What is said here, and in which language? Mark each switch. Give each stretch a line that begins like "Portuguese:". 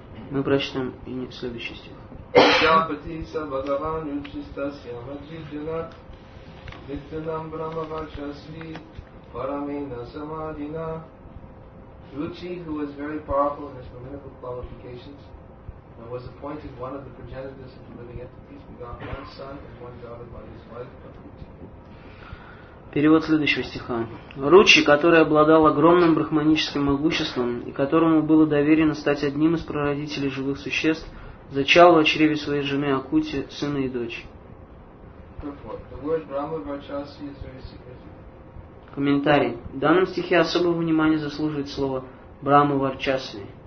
Russian: Мы прочитаем и следующий стих.
English: Ruchi, who was very powerful in his brahminical qualifications, and was appointed one of the progenitors of the living entities, begot one son and one daughter by his wife, Akuti.
Russian: Перевод следующего стиха. Ручи, который обладал огромным брахманическим могуществом и которому было доверено стать одним из прародителей живых существ, зачал в чреве своей жены Акути сына и дочь.
English: The word Brahma Vachasi is very significant.
Russian: Комментарий. В данном стихе особого внимания заслуживает слово «брама варчасви».